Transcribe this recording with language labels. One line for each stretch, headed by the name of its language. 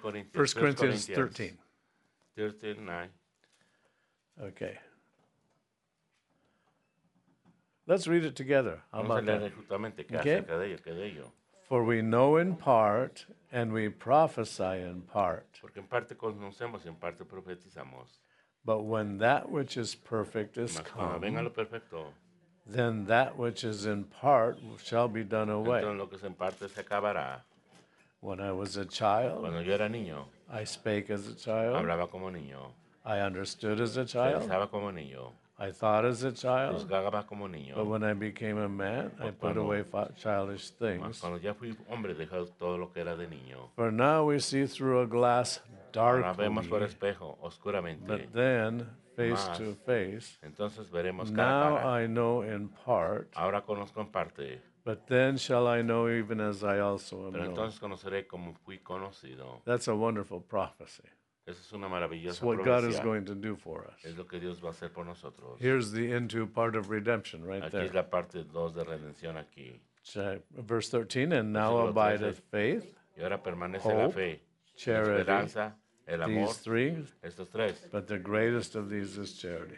English: 1 Corinthians 13. 13, 9. Okay. Let's read it together. How about that? Okay. For we know in part, and we prophesy in part.
Spanish: Porque en parte conocemos y en parte profetizamos.
English: But when that which is perfect is come,
Spanish: venga lo perfecto,
English: then that which is in part shall be done away.
Spanish: Entonces, lo que es en parte se acabará.
English: When I was a child,
Spanish: cuando yo era niño,
English: I spake as a child,
Spanish: hablaba como niño,
English: I understood as a child,
Spanish: pensaba como niño,
English: I thought as a child,
Spanish: juzgaba como niño,
English: but when I became a man, I put away childish things.
Spanish: Cuando ya fui hombre, dejé todo lo que era de niño.
English: For now we see through a glass darkly,
Spanish: ahora vemos por espejo, oscuramente,
English: but then face to face,
Spanish: entonces veremos cara.
English: Now I know in part,
Spanish: ahora conozco en parte,
English: but then shall I know even as I also am.
Spanish: Pero entonces conoceré como fui conocido.
English: That's a wonderful prophecy.
Spanish: Esa es una maravillosa profecía.
English: What God is going to do for us.
Spanish: Es lo que Dios va a hacer por nosotros.
English: Here's the into part of redemption right
Spanish: aquí
English: there.
Spanish: Aquí es la parte 2 de redención aquí.
English: Verse 13, and now abideth faith,
Spanish: y ahora permanece
English: hope,
Spanish: la fe,
English: charity,
Spanish: esperanza, el amor,
English: these three,
Spanish: estos tres.
English: But the greatest of these is charity.